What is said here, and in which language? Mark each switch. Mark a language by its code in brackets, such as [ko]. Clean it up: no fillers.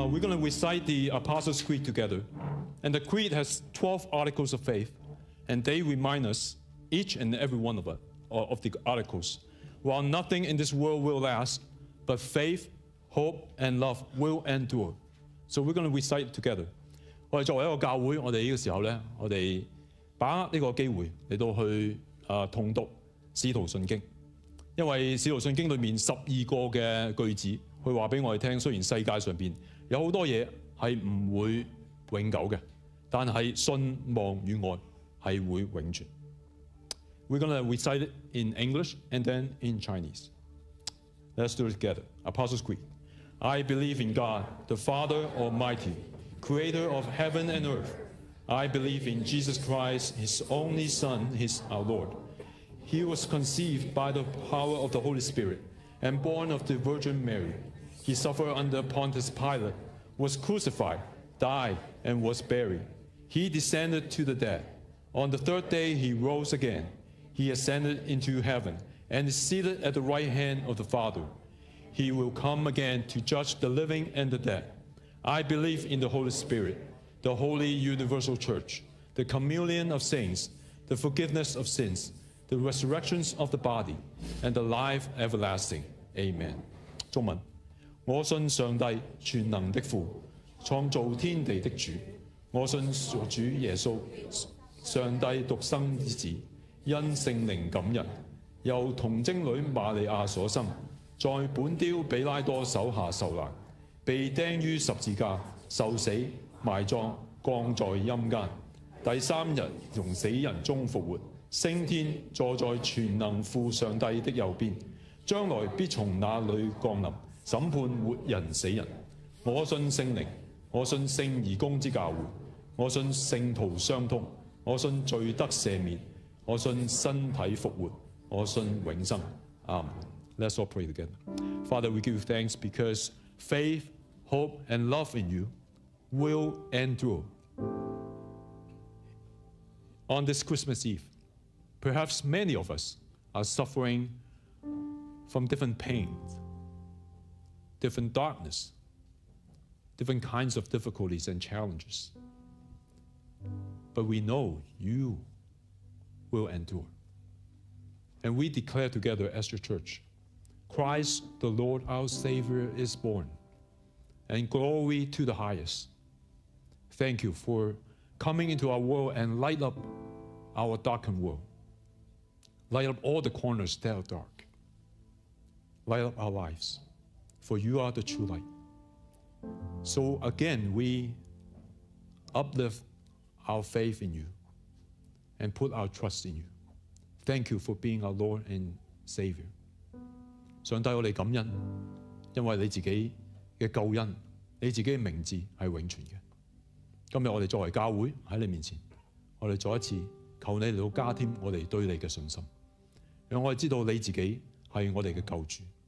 [en] We're going to recite the Apostles' Creed together. And the Creed has 12 articles of faith. And they remind us, each and every one of us, of the articles. While nothing in this world will last, but faith, hope, and love will endure. So we're going to recite together. [zh] 我们作为一个教会，我们这个时候呢，我们把握这个机会来到去诵读使徒信经。因为使徒信经里面十二个的句子，他告诉我们，虽然世界上面有很多东西是不会永久的，但是信望与爱是会永存。 [en] We're going to recite it in English and then in Chinese. Let's do it together. Apostles' Creed. I believe in God, the Father Almighty, creator of heaven and earth. I believe in Jesus Christ, his only Son, his our Lord. He was conceived by the power of the Holy Spirit and born of the Virgin Mary. He suffered under Pontius Pilate, was crucified, died, and was buried. He descended to the dead. On the third day, he rose again. He ascended into heaven and is seated at the right hand of the Father. He will come again to judge the living and the dead. I believe in the Holy Spirit, the Holy Universal Church, the communion of saints, the forgiveness of sins, the resurrections of the body, and the life everlasting. Amen. [zh] 中文，我信上帝全能的父，创造天地的主，我信主耶稣。上帝独生之子，因圣灵感孕，由童贞女玛利亚所生，在本丢比拉多手下受难，被钉于十字架，受死埋葬，降在阴间，第三日从死人中复活，升天坐在全能父上帝的右边，将来必从那里降临审判活人死人。我信圣灵，我信圣义公之教会，我信圣徒相通，我信罪得赦免，我信身体复活，我信永生。 [en] Amen. Let's all pray together. Father, we give you thanks because faith, hope, and love in you will endure. On this Christmas Eve, perhaps many of us are suffering from different pains, different darkness, different kinds of difficulties and challenges. But we know you will endure. And we declare together as your church, Christ the Lord our Savior is born, and glory to the highest. Thank you for coming into our world and light up our darkened world. Light up all the corners that are dark. Light up our lives, for you are the true light. So again, we uplift our faith in you and put our trust in you. Thank you for being our Lord and Savior. [zh] 上帝，我们感恩，因为你自己的救恩，你自己的名字是永存的。今天我们作为教会在你面前，我们再一次求你来加添我们对你的信心，让我们知道你自己是我们的救主。